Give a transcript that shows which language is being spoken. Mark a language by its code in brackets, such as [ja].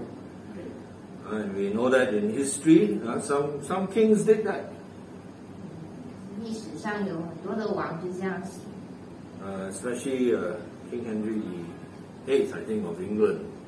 [en] And we know that in history, some kings did that. [zh] 历史上有很多的王就这样行。 [en] Especially King Henry VIII, I think, of England.